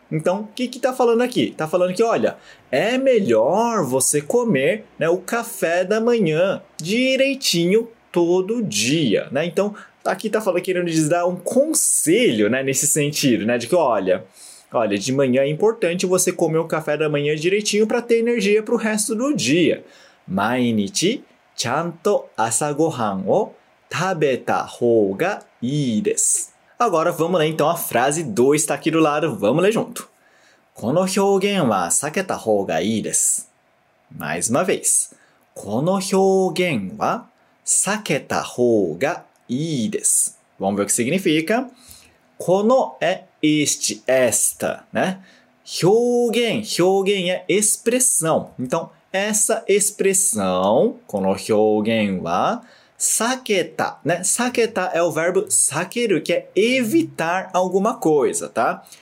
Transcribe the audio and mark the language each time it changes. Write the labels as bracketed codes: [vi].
[pt] Então, o que tá falando aqui? Tá falando que, olha, é melhor você comer, né, o café da manhã direitinho todo dia, né? Então, aqui tá falando, querendo dar um conselho, né, nesse sentido, né? De que, olha, de manhã é importante você comer o café da manhã direitinho para ter energia para o resto do dia. [ja] 毎日ちゃんと朝ごはんを食べた方がいいです。 [pt] Agora vamos ler então a frase 2 está aqui do lado, vamos ler junto. [ja] この表現は避けた方がいいです。 [pt] Mais uma vez. [ja] この表現は避けた方がいいです。 [pt] Vamos ver o que significa. この é este, esta, né? Hyōgen é expressão. Então, essa expressão, [ja] この表現は [pt] saketa, né? Saketa é o verbo sakeru, que é evitar alguma coisa, tá?